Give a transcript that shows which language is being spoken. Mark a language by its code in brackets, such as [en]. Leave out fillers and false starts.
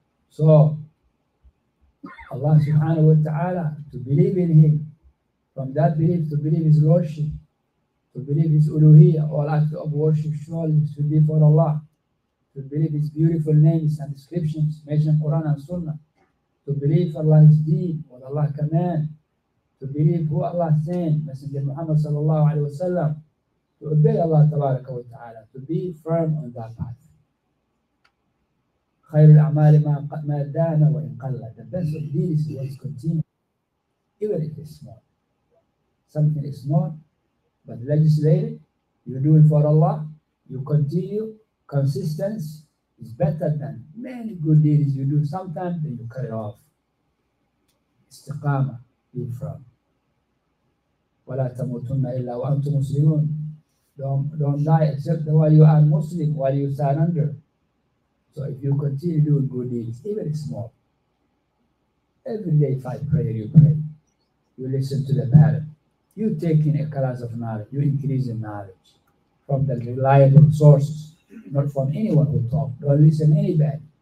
[en] So, Allah subhanahu wa ta'ala, to believe in Him, from that belief to believe His Lordship, to believe His Uluhiyah, all acts of worship surely should be for Allah, to believe His beautiful names and descriptions mentioned in Quran and Sunnah, to believe Allah's deen, what Allah commands, to believe who Allah sent, Messenger Muhammad sallallahu alayhi wa sallam, to obey Allah tabaraka wa ta'ala, to be firm on that path. [ar] خير الأعمال ما دام وإن قل. [en] The best of these is continuing, even if it's small. Something is small, but legislated, you do it for Allah, you continue, consistency is better than many good deeds you do sometimes, then you cut it off. Istiqama, be firm. [ar] ولا تموتن إلا وأنتم مسلمون. [en] Don't die except while you are Muslim, while you stand under. So if you continue doing good deeds, even small, every day five prayer you pray, you listen to the parent, you take in a class of knowledge, you increase in knowledge from the reliable sources, not from anyone who talk. Don't listen to anybody.